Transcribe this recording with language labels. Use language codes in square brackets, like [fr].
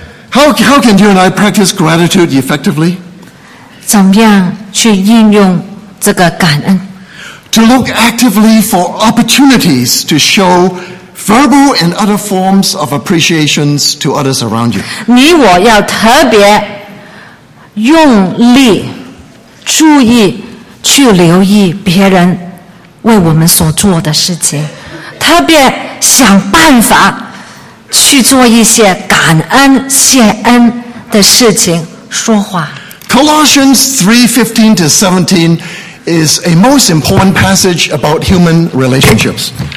[en] How can you and I practice gratitude effectively? [zh] 怎么样去应用这个感恩 [en] To look actively for opportunities to showVerbal and other forms of appreciations to others around you. [zh] 你我要特别用力注意去留意别人为我们所做的事情，特别想办法去做一些感恩、谢恩的事情，说话。 [en] Colossians 3:15 to 17 is a most important passage about human relationships.